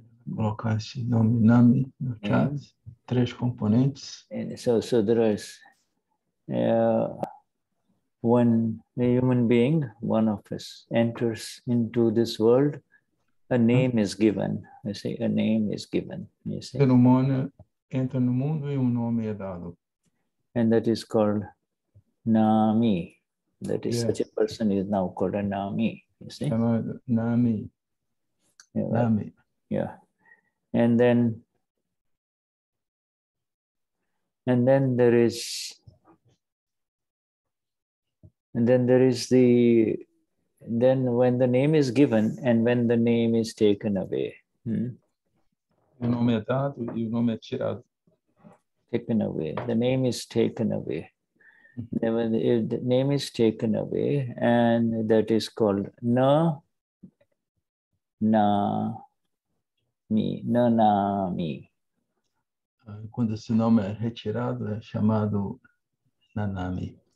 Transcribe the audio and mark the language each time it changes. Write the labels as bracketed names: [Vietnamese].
[Portuguese] Colocasse nome, nome no chat. Três componentes. [English] And so there is when a human being, one of us, enters into this world, a name is given. I say a name is given. You see. [Portuguese] Ser humano entra no mundo e nome é dado. [English] And that is called Nami. That is, yes. Such a person is now called a Nami. You see? Nami. Yeah. Nami. Yeah. And then there is, and then there is the, then when the name is given and when the name is taken away. [Portuguese] O nome é dado e o nome é tirado. [English] Taken away. The name is taken away. The name is taken away, and that is called na na mi, na na mi. [Portuguese] Quando esse nome é retirado, é chamado na na mi.